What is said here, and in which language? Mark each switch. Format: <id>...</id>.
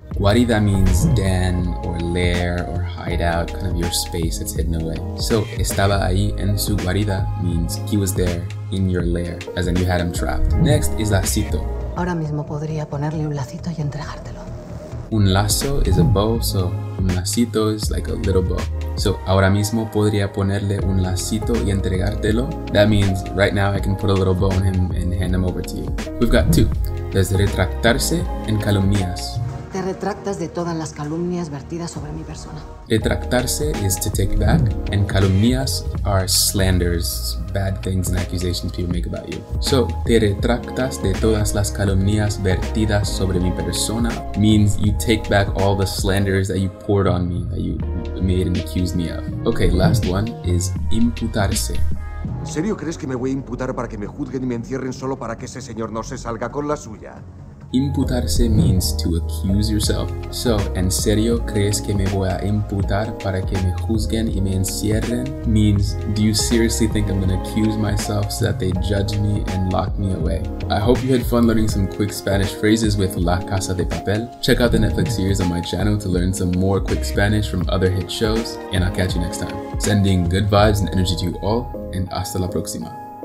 <en>Guarida means den or lair or hideout, kind of your space that's hidden away. So,</en> <es>estaba ahí en su guarida</es> <en>means he was there in your lair, as in you had him trapped. Next is lacito.</en> <es>Ahora mismo podría ponerle un lacito y entregártelo. Un lazo</es> <en>is a bow, so</en> <es>un lacito</es> <en>is like a little bow.</en> <es>So, ahora mismo podría ponerle un lacito y entregártelo.</es> <en>That means, right now I can put a little bow on him and hand him over to you. We've got two.</en> <es>Es retractarse en calumnias. Te retractas de todas las calumnias vertidas sobre mi persona.</es> <en>Retractarse is to take back, and calumnias are slanders, bad things and accusations people make about you. So,</en> <es>te retractas de todas las calumnias vertidas sobre mi persona</es> <en>means you take back all the slanders that you poured on me, that you made and accused me of. Okay, last one is imputarse.</en> <es>¿En serio crees que me voy a imputar para que me juzguen y me encierren solo para que ese señor no se salga con la suya?</es> <en>Imputarse means to accuse yourself.</en> <es>So, ¿en serio crees que me voy a imputar para que me juzguen y me encierren?</es> <en>Means, do you seriously think I'm going to accuse myself so that they judge me and lock me away? I hope you had fun learning some quick Spanish phrases with La Casa de Papel. Check out the Netflix series on my channel to learn some more quick Spanish from other hit shows. And I'll catch you next time. Sending good vibes and energy to you all. And</en> <es>hasta la próxima.</es>